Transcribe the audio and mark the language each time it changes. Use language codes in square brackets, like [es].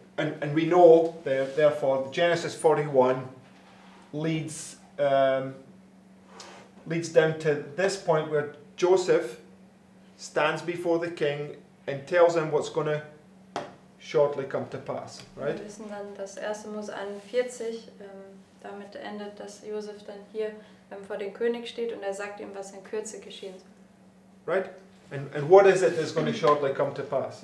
[en] And we know, therefore, Genesis 41 leads. Leads down to this point where Joseph stands before the king and tells him what's going to shortly come to pass, right? [de] Wir wissen dann, dass 1. Mose 41 damit endet, dass Joseph dann hier vor den König steht und sagt ihm, was in Kürze geschehen soll. [en] Right? And what is it that's going to shortly come to pass?